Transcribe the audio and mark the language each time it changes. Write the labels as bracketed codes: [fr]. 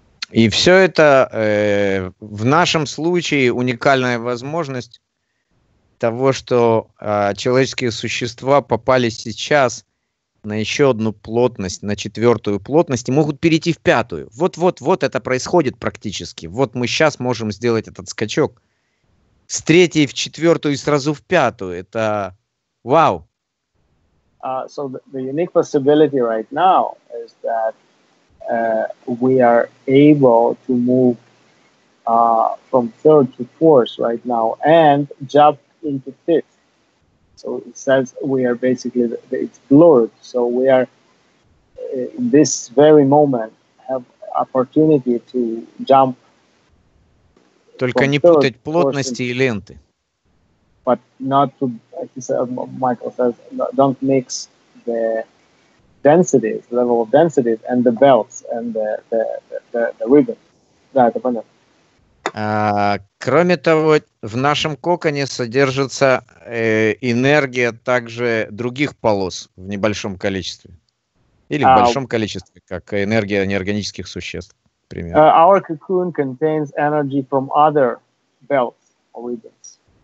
[ru] И все это в нашем случае уникальная возможность того, что человеческие существа попали сейчас на еще одну плотность, на четвертую плотность, и могут перейти в пятую. Вот это происходит практически. Вот мы сейчас можем сделать этот скачок с третьей в четвертую и сразу в пятую. Это вау! [en] So the unique possibility right now is that we are able to move from third to fourth right now and jump into fifth. So it says we are basically, it's blurred. So we are, in this very moment, have opportunity to jump. [ru] Только не путать плотности и ленты. [en] But not to, as Michael says, don't mix the densities, level of densities, and the belts, and the ribbon. [ru] Да, это понятно. Кроме того, в нашем коконе содержится энергия также других полос в небольшом количестве. Или в большом количестве, как энергия неорганических существ, например. [en] Our cocoon contains energy from other belts or ribbons.